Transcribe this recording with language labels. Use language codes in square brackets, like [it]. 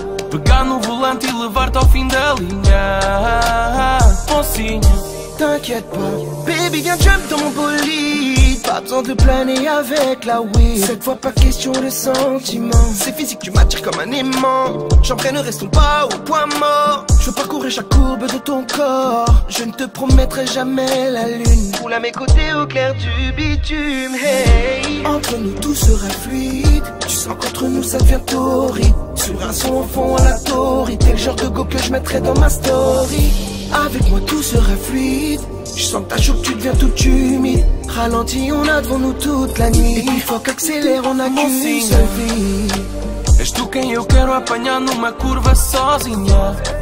[pt] Pegar no volante e levar-te ao fim da linha. [fr] Mocinha, t'inquiète pas. Baby, viens jump dans mon bolide. Pas besoin de planer avec la weed. Cette fois pas question de sentiments. C'est physique, tu m'attires comme un aimant. J'entraîne, ne restons pas au point mort. Je veux parcourir chaque courbe de ton corps. Je ne te promettrai jamais la lune. Roule à mes côtés au clair du bitume, hey. Entre nous tout sera fluide. Tu sens qu'entre nous ça devient torride. Sur un son au fond à la torride. T'es le genre de go que je mettrai dans ma story. Avec moi tout sera fluide. Je sens que ta joue, tu deviens toute humide. Ralenti, on a devant nous toute la nuit. Et puis faut qu'accélère, on a qu'une seule vie. [pt] Es tu quem eu quero apanhar numa curva sozinha.